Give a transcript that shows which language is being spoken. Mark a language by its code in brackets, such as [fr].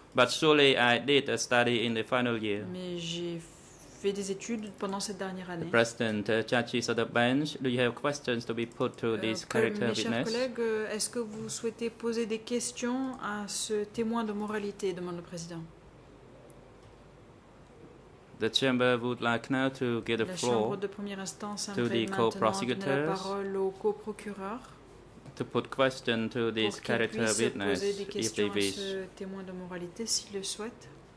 [en] But surely I did a study in the final year. [fr] Mais j'ai fait des études pendant cette dernière année. [en] The president, judges of the bench, do you have questions to be put to this character witness? [fr] Mes chers collègues, est-ce que vous souhaitez poser des questions à ce témoin de moralité, demande le président. [en] The chamber would like now to give the floor [fr] la chambre de première instance [en] to the co-prosecutors [fr] donner la parole au co-procureur [en] to put questions to this character witness, if they wish. [fr] Pour qu'il puisse poser des questions à ce témoin de moralité, s'il le souhaite.